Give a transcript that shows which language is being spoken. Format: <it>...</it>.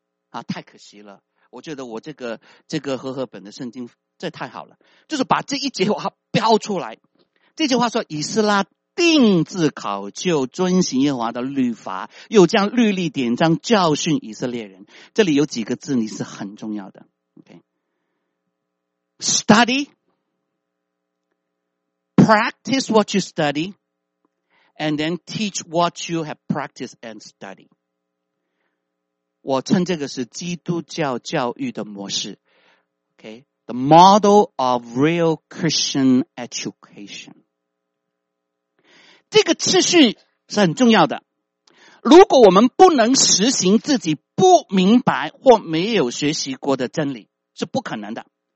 <zh>啊，太可惜了，我觉得我这个和合本的圣经。这太好了，就是把这一节话标出来。这句话说，以斯拉定制考究遵行耶和华的律法，又将律例典章教训以色列人。这里有几个字你是很重要的、okay.</zh> <en>Study Practice what you study And then teach what you have practiced and study。</en> <zh>我称这个是基督教教育的模式。</zh> <en>OK，The model of real Christian education。</en> <zh>这个次序是很重要的。如果我们不能实行自己不明白或没有学习过的真理，是不可能的。</zh>